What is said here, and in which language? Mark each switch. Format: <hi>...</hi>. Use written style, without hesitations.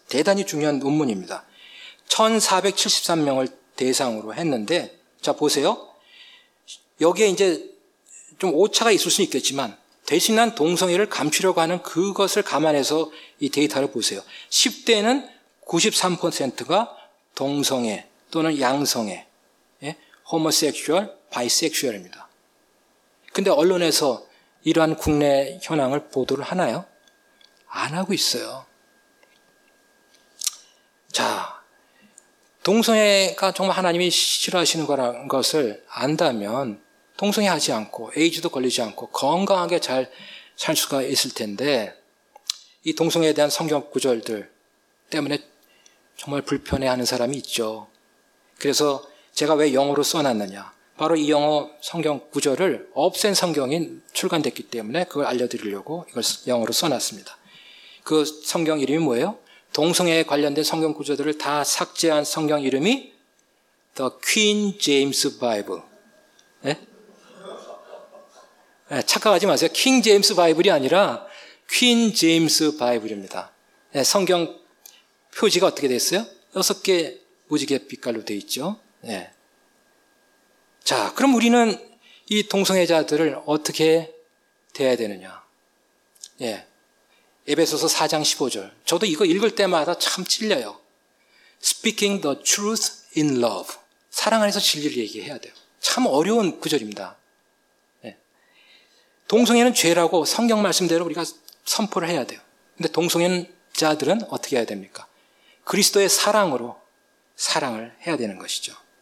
<ko>대단히 중요한 논문입니다. 1473명을 대상으로 했는데 자 보세요. 여기에 이제 좀 오차가 있을 수 있겠지만 대신한 동성애를 감추려고 하는 그것을 감안해서 이 데이터를 보세요. 10대는 93%가 동성애 또는 양성애, 예?</ko> <en>homosexual, bisexual</en> <ko>입니다. 근데 언론에서 이러한 국내 현황을 보도를 하나요? 안 하고 있어요. 자, 동성애가 정말 하나님이 싫어하시는 거라는 것을 안다면 동성애하지 않고 에이즈도 걸리지 않고 건강하게 잘 살 수가 있을 텐데 이 동성애에 대한 성경 구절들 때문에 정말 불편해하는 사람이 있죠. 그래서 제가 왜 영어로 써놨느냐. 바로 이 영어 성경 구절을 없앤 성경이 출간됐기 때문에 그걸 알려드리려고 이걸 영어로 써놨습니다. 그 성경 이름이 뭐예요? 동성애에 관련된 성경 구절들을 다 삭제한 성경 이름이 The Queen James Bible. 네? 네, 착각하지 마세요. King James Bible이 아니라 Queen James Bible입니다. 네, 성경 표지가 어떻게 되어 있어요? 여섯 개 무지개 빛깔로 되어 있죠. 네. 자, 그럼 우리는 이 동성애자들을 어떻게 대해야 되느냐? 예. 네. 에베소서 4장 15절. 저도 이거 읽을 때마다 참 찔려요.</ko> <en>Speaking the truth in love.</en> <ko>사랑 안에서 진리를 얘기해야 돼요. 참 어려운 구절입니다. 네. 동성애는 죄라고 성경 말씀대로 우리가 선포를 해야 돼요. 근데 동성애는 자들은 어떻게 해야 됩니까? 그리스도의 사랑으로 사랑을 해야 되는 것이죠.</ko>